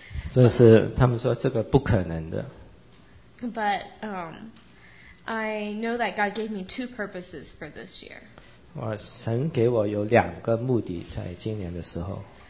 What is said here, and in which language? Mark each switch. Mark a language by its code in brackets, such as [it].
[zh] 这是他们说这个不可能的。 [en] But I know that God gave me two purposes for this year. [zh] 我神给我有两个目的在今年的时候。